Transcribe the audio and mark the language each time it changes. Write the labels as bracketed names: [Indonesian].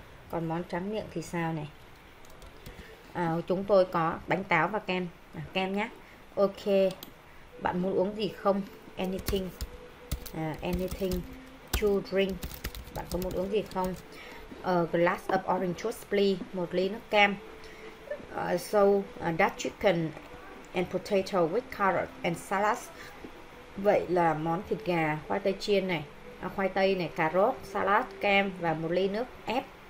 [Vietnamese] Còn món tráng miệng thì sao này? Chúng tôi có bánh táo và kem, kem nhé. Ok, bạn muốn uống gì không? [English] Anything, anything to drink. [Vietnamese] Bạn có muốn uống gì không? [English] A glass of orange juice, please. [Vietnamese] Một ly nước kem. [English] So that chicken and potato with carrot and salad. [Vietnamese] Vậy là món thịt gà, khoai tây chiên này, khoai tây này, cà rốt, salad, kem và một ly nước ép.